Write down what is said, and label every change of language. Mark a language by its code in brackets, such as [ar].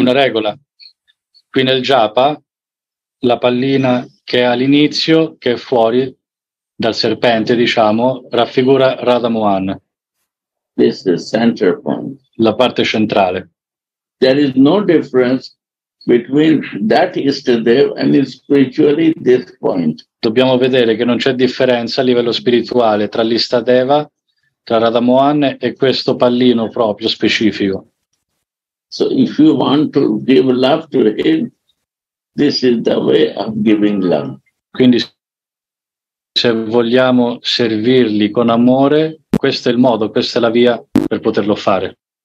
[it] Una regola, qui nel japa, la pallina che è all'inizio, che è fuori dal serpente, diciamo, raffigura Radha Mohan. [en] This is center point. [it] La parte centrale. [en] There is no difference between that Ishtadev and spiritually this point. [it] Dobbiamo vedere che non c'è differenza a livello spirituale tra l'Ishtadeva, tra Radha Mohan e questo pallino proprio specifico. [en] So if you want to give love to him, this is the way of giving love. [it] Quindi se vogliamo servirli con amore, questo è il modo, questa è la via per poterlo fare.